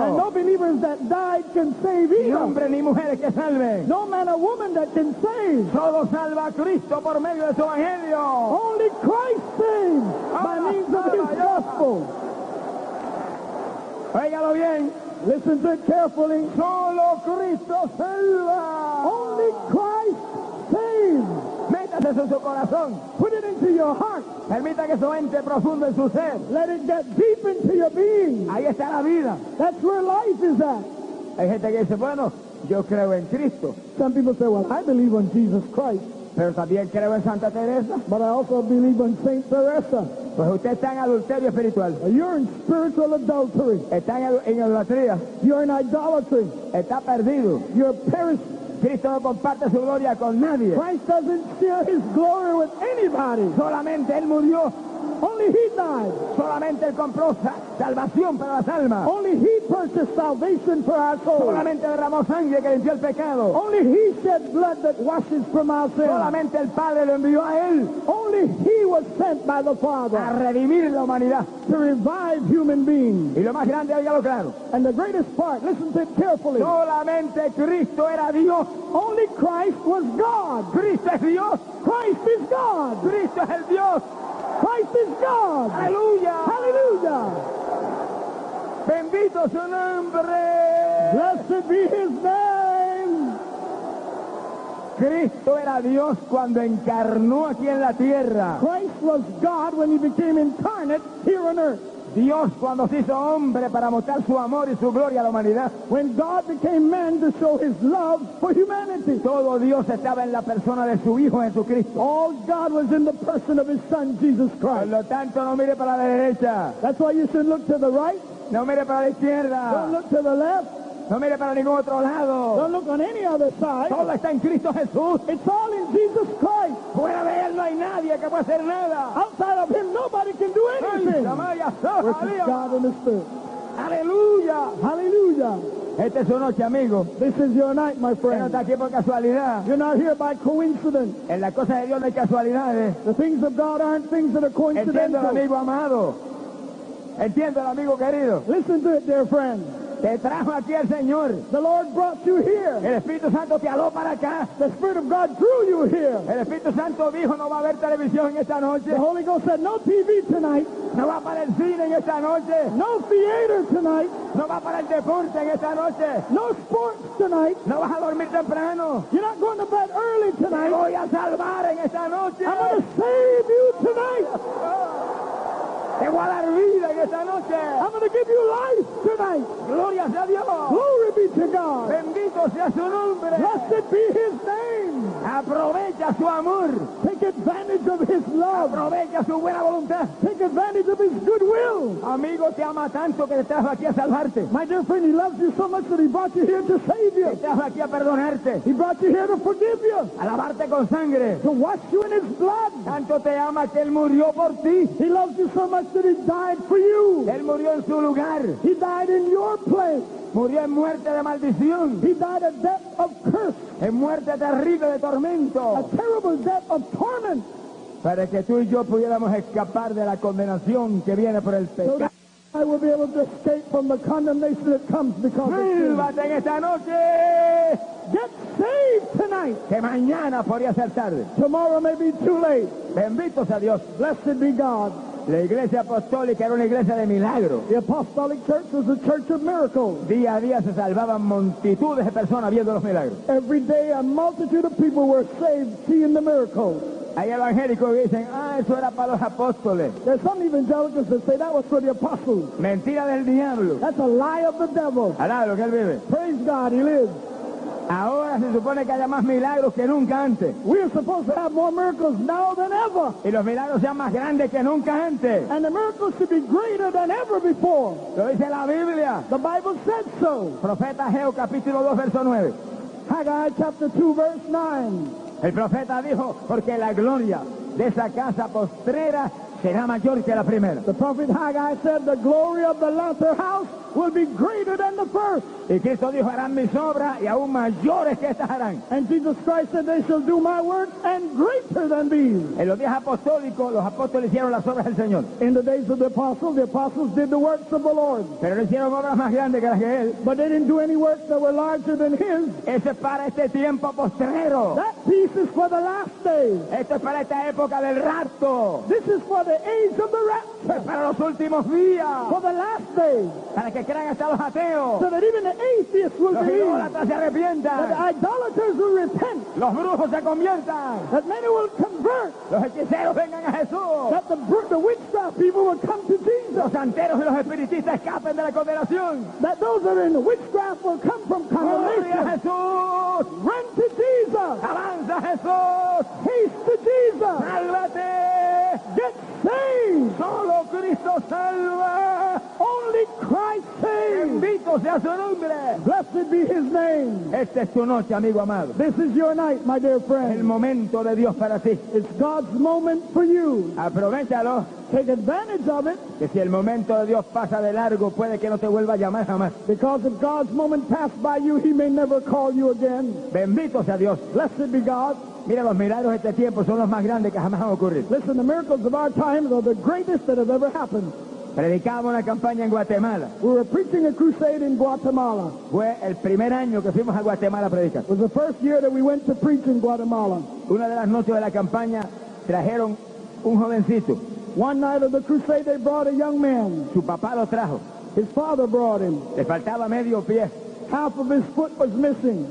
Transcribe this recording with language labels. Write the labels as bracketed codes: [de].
[en] And no believers that died can save either. [es] Ni hombre ni mujer que salve. [en] No man or woman that can save. [es] Solo salva a Cristo por medio de su evangelio. [en] Only Christ saves. By means of his gospel. [es] Oígalo bien. [en] Listen to it carefully. [es] Solo Cristo salva. [en] Only Christ saves. [es] Métase eso en su corazón. [en] Put it into your heart. [es] Permita que eso entre profundo en su ser. [en] Let it get deep into your being. [es] Ahí está la vida. [en] That's where life is at. [es] Hay gente que dice, bueno, yo creo en Cristo. [en] Some people say, well, I believe in Jesus Christ. [es] Pero también creo en Santa Teresa. [en] But I also believe in Saint Teresa. [es] Pues usted está en adulterio espiritual. [en] You're in spiritual adultery. [es] Está en idolatría. [en] You're in idolatry. [es] Está perdido. [en] You're perished. [es] Cristo no comparte su gloria con nadie. [en] Christ doesn't share his glory with anybody. [es] Solamente él murió [en] Only he died. [es] Solamente él compró salvación para las almas. [en] Only he purchased salvation for our souls. [es] Solamente derramó sangre que limpió el pecado. [en] Only he shed blood that washes from our sins. [es] Solamente el Padre lo envió a él. [en] Only he was sent by the Father. [es] A redimir la humanidad. [en] To revive human beings. [es] Y lo más grande, oígalo claro. [en] And the greatest part, listen to it carefully. [es] Solamente Cristo era Dios. [en] Only Christ was God. [es] Cristo es Dios. [en] Christ is God. [es] Cristo es el Dios. [en] Christ is God. [es] Aleluya. [en] Hallelujah. [es] Bendito su nombre. [en] Blessed be his name. [es] Cristo era Dios cuando encarnó aquí en la tierra. [en] Christ was God when he became incarnate here on earth. [es] Dios cuando se hizo hombre para mostrar su amor y su gloria a la humanidad. [en] When God became man to show his love for humanity. [es] Todo Dios estaba en la persona de su Hijo Jesucristo. [en] All God was in the person of his Son Jesus Christ. [es] Por lo tanto, no mire para la derecha. [en] That's why you should look to the right. [es] No mire para la izquierda. [en] Don't look to the left. [es] No mire para ningún otro lado. [en] Don't look on any other side. [es] Todo está en Cristo Jesús. [en] It's all in Jesus Christ. [es] Fuera de él no hay nadie que pueda hacer nada. [en] Outside of him, nobody can do anything. Worship God in the Spirit. [es] Aleluya. [en] Hallelujah. [es] Esta es su noche, amigo. [en] This is your night, my friend. [es] No está aquí por casualidad. [en] You're not here by coincidence. [es] En las cosas de Dios no hay casualidades. [en] The things of God aren't things that are coincidental. [es] Entiéndelo, amigo amado. Entiéndelo, amigo querido. [en] Listen to it, dear friend. [es] Te trajo aquí el Señor. [en] The Lord brought you here. [es] El Espíritu Santo te aló para acá. [en] The Spirit of God drew you here. [es] El Espíritu Santo dijo no va a haber televisión esta noche. [en] The Holy Ghost said no TV tonight. [es] No va para el cine en esta noche. [en] No theater tonight. [es] No va para el deporte en esta noche. [en] No sports tonight. [es] No vas a dormir temprano. [en] You're not going to bed early tonight. [es] Te voy a salvar en esta noche. [en] I'm going to save you tonight. [es] Te voy a dar vida en esta noche. [en] I'm going to give you life tonight. [es] Gloria sea a Dios. [en] Glory be to God. [es] Bendito sea su nombre. [en] Blessed be his name. [es] Aprovecha su amor. [en] Take advantage of his love. [es] Aprovecha su buena voluntad. [en] Take advantage of his goodwill. [es] Amigo, te ama tanto que te trajo aquí a salvarte. [en] My dear friend, he loves you so much that he brought you here to save you. [es] Te trajo aquí a perdonarte. [en] He brought you here to forgive you. [es] A lavarte con sangre. [en] To wash you in his blood. [es] Tanto te ama que él murió por ti. [en] He loves you so much that he died for you. [es] Él murió en su lugar. [en] He died in your place. [es] Murió en muerte de maldición. [en] He died a death of curse. [es] En muerte terrible de tormento. [en] A terrible death of torment. [es] Para que tú y yo pudiéramos escapar de la condenación que viene por el pecado. [en] So I will be able to escape from the condemnation that comes because of sin. [es] ¡Sálvate en esta noche! [en] Get saved tonight. [es] Que mañana podría ser tarde. [en] Tomorrow may be too late. [es] Bendito sea Dios. [en] Blessed be God. [es] La iglesia apostólica era una iglesia de milagros. [en] The apostolic church was a church of miracles. [es] Día a día se salvaban multitudes de personas viendo los milagros. [en] Every day a multitude of people were saved seeing the miracles. [es] Hay evangélicos que dicen, ah, eso era para los apóstoles. [en] There's some evangelicals that say that was for the apostles. [es] Mentira del diablo. [en] That's a lie of the devil. [es] Alábalo, que él vive. [en] Praise God, he lives. [es] Ahora se supone que haya más milagros que nunca antes. [en] We are supposed to have more miracles now than ever. [es] Y los milagros sean más grandes que nunca antes. [en] And the miracles should be greater than ever before. [es] Lo dice la Biblia. [en] The Bible said so. [es] Profeta Ageo capítulo 2 verso 9. [en] Haggai chapter 2 verse 9. [es] El profeta dijo, porque la gloria de esa casa postrera será mayor que la primera. [en] The prophet Haggai said, the glory of the latter house will be greater than the first. [es] Y Cristo dijo, harán mis obras y aún mayores que estas harán. [en] And Jesus Christ said, they shall do my work and greater than these. [es] En los días apostólicos, los apóstoles hicieron las obras del Señor. [en] In the days of the apostles did the works of the Lord. [es] Pero no hicieron obras más grandes que las que él. [en] But they didn't do any works that were larger than his. [es] Eso es para este tiempo postrero. [en] That piece is for the last day. [es] Esto es para esta época del rapto. [en] This is for the age of the rapture. [es] Es para los últimos días. [en] For the last day. [es] Para que crean hasta los ateos. [en] So that even the atheists will [es] los [en] believe. [es] Idólatras se arrepientan. [en] That the idolaters will repent. [es] Los brujos se conviertan. [en] That many will convert. [es] Los hechiceros vengan a Jesús. [en] That the witchcraft people will come to Jesus. [es] Los santeros y los espiritistas escapen de la condenación. [en] That those that are in the witchcraft will come from condemnation. [es] Gloria a Jesús. [en] Run to Jesus. [es] Avanza Jesús. [en] Haste to Jesus. [es] Sálvate. [en] Get saved. [es] Solo Cristo salva. [en] Only Christ saves. [es] Bendito sea su nombre. [en] Blessed be his name. [es] Esta es tu noche, amigo amado. [en] This is your night, my dear friend. [es] El momento de Dios para ti. [en] It's God's moment for you. [es] Aprovechalo. [en] take advantage of it. [es] Que si el momento de Dios pasa de largo, puede que no te vuelva a llamar jamás. [en] Because if God's moment passed by you, he may never call you again. [es] Bendito sea Dios. [en] Blessed be God. [es] Mira, los milagros de este tiempo son los más grandes que jamás han ocurrido. [en] Listen, the miracles of our times are the greatest that have ever happened. [es] Predicamos una campaña en Guatemala. [en] We were preaching a crusade in Guatemala. [es] Fue el primer año que fuimos a Guatemala a predicar. [en] It was the first year that we went to preach in Guatemala. [es] Una de las noches de la campaña trajeron un jovencito. [en] One night of the crusade they brought a young man. [es] Su papá lo trajo. [en] His father brought him. [es] Le faltaba medio pie. [en] Half of his foot was missing.